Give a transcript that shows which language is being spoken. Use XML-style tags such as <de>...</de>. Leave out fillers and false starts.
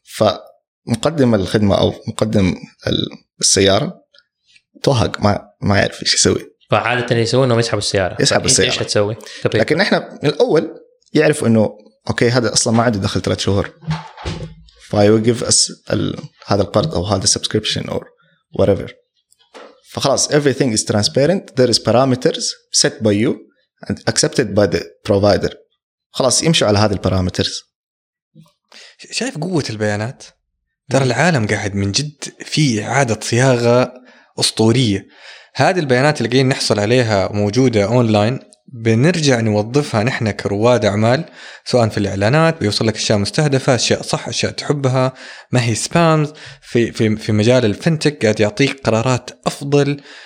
<ar>فمقدم الخدمه او مقدم السياره توهق، ما يعرف ايش يسوي. فعادة يسوي انه يسحب السياره. يسحب السياره ايش تسوي؟ لكن احنا من الاول يعرف انه اوكي هذا اصلا ما عنده دخل 3 شهور، فيوقف هذا القرض او هذا السبسكريبشن اور</ar> <en>whatever. فخلاص everything is transparent, there is parameters set by you and accepted by the provider.</en> <ar>خلاص يمشوا على هذه البارامترز. شايف قوه البيانات؟ ترى العالم قاعد من جد في اعاده صياغه اسطوريه. هذه البيانات اللي قاعدين نحصل عليها موجوده اونلاين، بنرجع نوظفها نحن كرواد اعمال، سواء في الاعلانات بيوصل لك اشياء مستهدفه، اشياء صح، اشياء تحبها، ما هي سبامز، في في في مجال الفنتك قاعد يعطيك قرارات افضل.</ar>